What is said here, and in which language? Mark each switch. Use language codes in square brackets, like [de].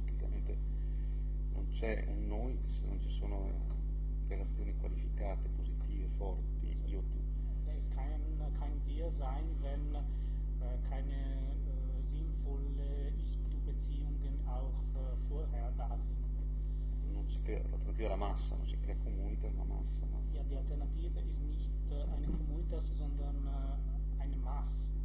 [it] Chiaramente non c'è un noi se non ci sono relazioni qualificate, positive, forti, io tu. [de] Es kann wir sein, wenn keine sinnvolle Ich-Tu-Beziehungen auch vorher da sind. [it] Non si crea, l'alternativa è la massa, non si crea comunità, ma massa. No? [de] Ja, die Alternative ist nicht eine comunità, sondern eine Masse.